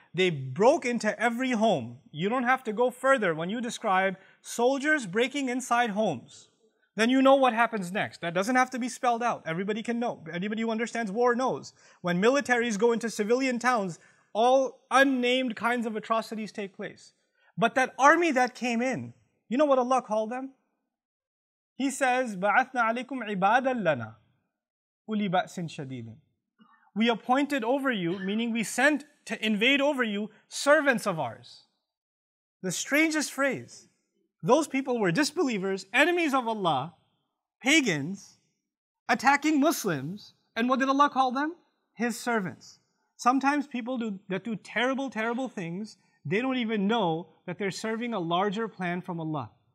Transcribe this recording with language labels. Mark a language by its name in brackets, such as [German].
[English] They broke into every home. You don't have to go further when you describe soldiers breaking inside homes. Then you know what happens next. That doesn't have to be spelled out. Everybody can know. Anybody who understands war knows. When militaries go into civilian towns, all unnamed kinds of atrocities take place. But that army that came in, you know what Allah called them? He says, [Arabic] بَعَثْنَا عَلَيْكُمْ عِبَادًا لَنَا أُولِي بَأْسٍ شَدِيدٍ. [English] We appointed over you, meaning we sent to invade over you, servants of ours. The strangest phrase. Those people were disbelievers, enemies of Allah, pagans, attacking Muslims. And what did Allah call them? His servants. Sometimes people do terrible, terrible things, they don't even know that they're serving a larger plan from Allah.